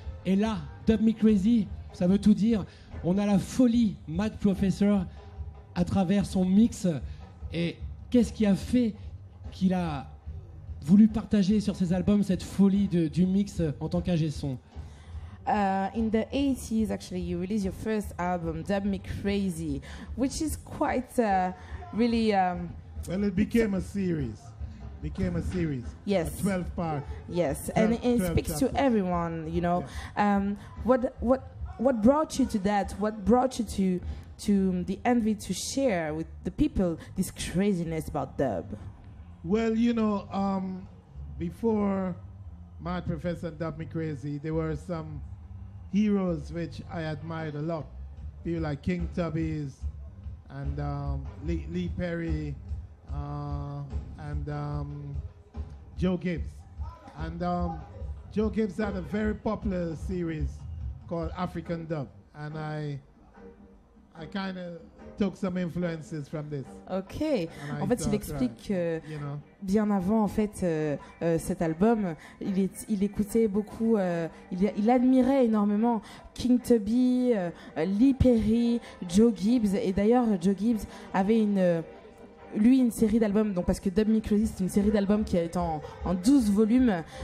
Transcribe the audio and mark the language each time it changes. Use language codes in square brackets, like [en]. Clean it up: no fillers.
[fr] Et là, Dub Me Crazy, ça veut tout dire. On a la folie Matt Professor à travers son mix. Et qu'est-ce qui a fait qu'il a voulu partager sur ses albums cette folie du mix en tant qu'ingé son? [en] In the 80s, actually, you released your first album, Dub Me Crazy, which is quite really... Well, it became a series. Became a series. Yes. A 12-part. Yes, 12, and it speaks chapters. To everyone, you know. Yeah. What brought you to that? What brought you to the envy to share with the people this craziness about dub? Well, you know, before Mad Professor Dub Me Crazy, there were some heroes which I admired a lot. People like King Tubbies and Lee Perry. And Joe Gibbs. And Joe Gibbs had a very popular series called African Dub. And I kind of took some influences from this. Ok. [fr] En fait, il explique que bien avant, en fait, cet album, il écoutait beaucoup, il admirait énormément King Tubby, Lee Perry, Joe Gibbs. Et d'ailleurs, Joe Gibbs avait une série d'albums, donc parce que Dub Me Crazy, c'est une série d'albums qui est en 12 volumes.